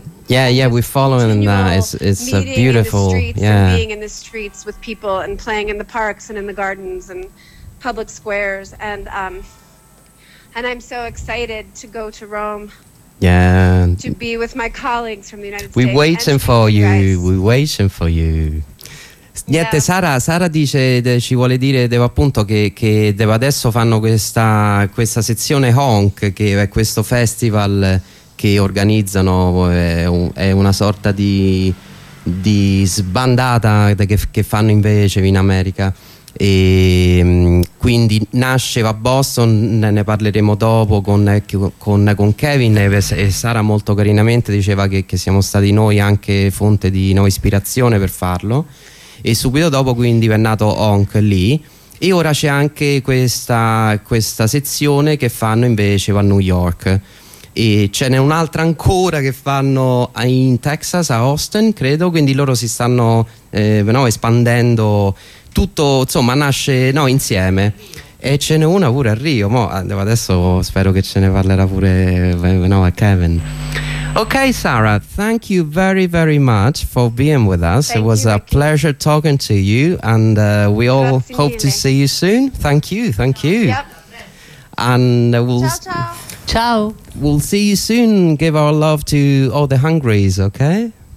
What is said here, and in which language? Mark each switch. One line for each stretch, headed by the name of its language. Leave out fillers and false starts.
English: We're following that. It's a beautiful. And being in the streets with people and playing in the parks and in the gardens and public squares. And I'm so excited to go to Rome. Yeah. To be with my colleagues from the United States. We're waiting for you. We're waiting for you. Niente, yeah.
Italian: Sara dice, ci vuole dire devo appunto che devo adesso fanno questa sezione Honk, che è questo festival che organizzano, è una sorta di sbandata che fanno invece in America. E quindi nasce a Boston, ne parleremo dopo con Kevin e Sara molto carinamente diceva che siamo stati noi anche fonte di nuova ispirazione per farlo e subito dopo quindi è nato Honk lì e ora c'è anche questa sezione che fanno invece a New York e ce n'è un'altra ancora che fanno in Texas a Austin credo, quindi loro si stanno espandendo. Tutto insomma nasce insieme e ce n'è una pure a Rio. Mo adesso spero che ce ne parlerà pure a Kevin.
English: Okay, Sara, thank you very, very much for being with us. Thank it was you, a Ricky. Pleasure talking to you, and we all hope to see you soon. Thank you. Yep. And we'll
Italian: ciao.
English: We'll see you soon. Give our love to all the Hungries, okay?